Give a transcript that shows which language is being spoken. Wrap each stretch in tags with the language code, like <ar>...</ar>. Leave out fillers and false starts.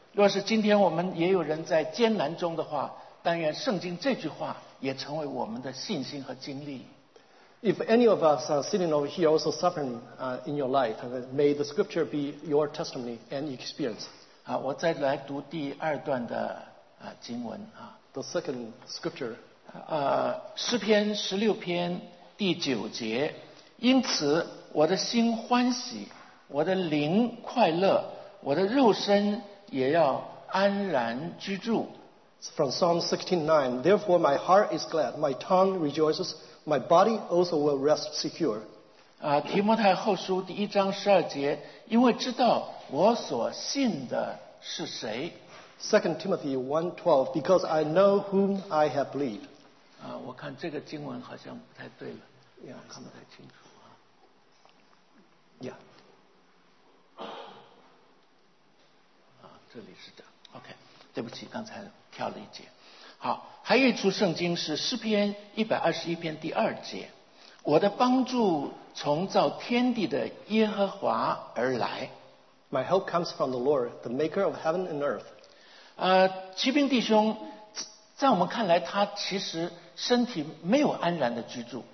<zh>若是今天我们也有人在艰难中的话，但愿圣经这句话也成为我们的信心和经历。</zh> <en>If any of us are sitting over here also suffering in your life, may the scripture be your testimony and experience.</en> <zh>我再来读第二段的经文啊。</zh> <en>The second scripture.</en> <zh>诗篇十六篇第九节，因此我的心欢喜，我的灵快乐，我的肉身也要安然居住。</zh> <en>From Psalm 16:9, therefore my heart is glad, my tongue rejoices, my body also will rest secure.</en> <zh>提摩太后书第一章十二节，因为知道我所信的是谁。</zh> <en>Second Timothy 1:12, because I know whom I have believed.</en> <zh>我看这个经文好像不太对了， yeah, 看不太清楚啊。</zh> <en>Yeah.</en> <zh>这里是这样 ，OK。对不起，刚才跳了一节。好，还有一处圣经是诗篇一百二十一篇第二节，我的帮助从造天地的耶和华而来。</zh> <en>My help comes from the Lord, the maker of heaven and earth.</en> <zh>骑兵弟兄，在我们看来，他其实身体没有安然的居住。</zh>